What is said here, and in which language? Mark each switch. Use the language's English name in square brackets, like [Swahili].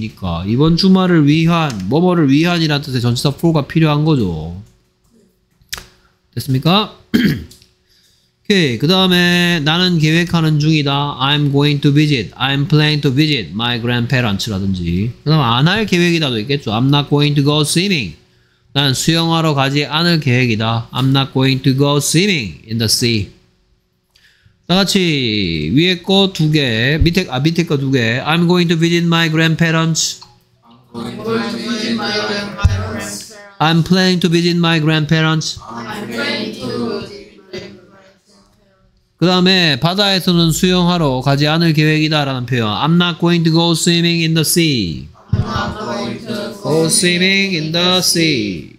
[Korean] 니까 이번 주말을 위한, 뭐뭐를 위한이라는 뜻의 전치사 for가 필요한 거죠. 됐습니까? 오케이. 그 다음에 나는 계획하는 중이다. [English] I'm going to visit. I'm planning to visit my grandparents [Korean] 라든지. 그 다음에 안 할 계획이다도 있겠죠. [English] I'm not going to go swimming. [Korean] 나는 수영하러 가지 않을 계획이다. [English] I'm not going to go swimming in the sea. [Korean] 다 같이 위에 거 두 개, 밑에, 아, 밑에 거 두 개. [English] I'm going to visit my grandparents. I'm going to visit my grandparents. I'm planning to visit my grandparents. I'm planning to visit my grandparents. [Korean] 그 다음에 바다에서는 수영하러 가지 않을 계획이다 라는 표현. [English] I'm not going to go swimming in the sea. I'm not going to go swimming in the sea.